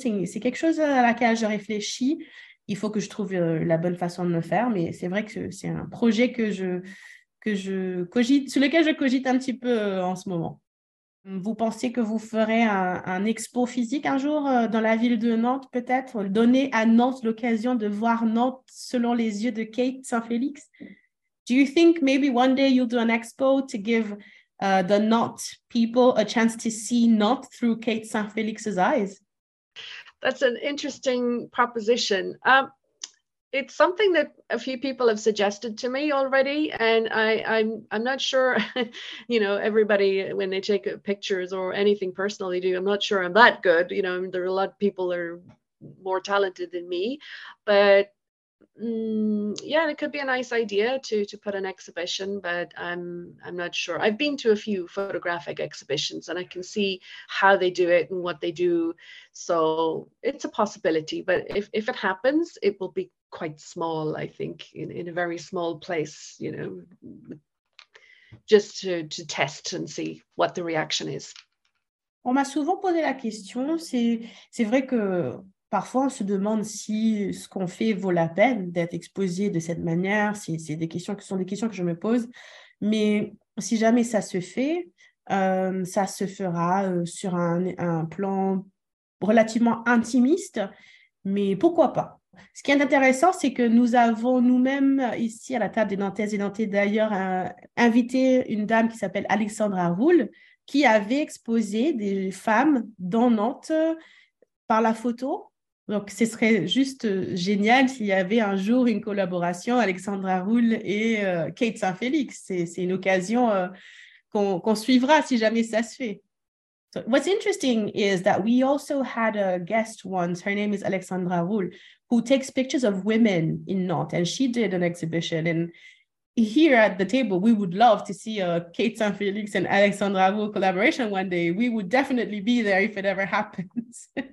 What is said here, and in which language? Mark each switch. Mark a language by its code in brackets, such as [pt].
[fr] C'est quelque chose à laquelle je réfléchis. Il faut que je trouve la bonne façon de le faire, mais c'est vrai que c'est un projet sur lequel je cogite un petit peu en ce moment. Vous pensez que vous ferez un expo physique un jour dans la ville de Nantes, peut-être? Donner à Nantes l'occasion de voir Nantes selon les yeux de Kate Saint-Félix? [en] Do you think maybe one day you'll do an expo to give the Nantes people a chance to see Nantes through Kate Saint-Félix's eyes? That's an interesting proposition. It's something that a few people have suggested to me already, and I'm not sure, you know, everybody, when they take pictures or anything personal they do, I'm not sure I'm that good. You know, there are a lot of people that are more talented than me, but yeah, it could be a nice idea to put an exhibition, but I'm not sure. I've been to a few photographic exhibitions and I can see how they do it and what they do. So it's a possibility, but if it happens, it will be quite small, I think, in a very small place, you know, just to test and see what the reaction is. [fr] On m'a souvent posé la question, c'est vrai que Parfois, on se demande si ce qu'on fait vaut la peine d'être exposé de cette manière, si c'est des questions qui sont des questions que je me pose. Mais si jamais ça se fait, ça se fera sur un plan relativement intimiste, mais pourquoi pas? Ce qui est intéressant, c'est que nous avons nous-mêmes ici à la table des Nantaises et Nantais d'ailleurs invité une dame qui s'appelle Alexandra Roule, qui avait exposé des femmes dans Nantes par la photo. Donc, ce serait juste génial s'il y avait un jour une collaboration Alexandra Roule et Kate Saint-Félix. C'est une occasion qu'on suivra si jamais ça se fait. [en] So, what's interesting is that we also had a guest once. Her name is Alexandra Roule, who takes pictures of women in Nantes, and she did an exhibition. And here at the table, we would love to see a Kate Saint-Félix and Alexandra Roule collaboration one day. We would definitely be there if it ever happens.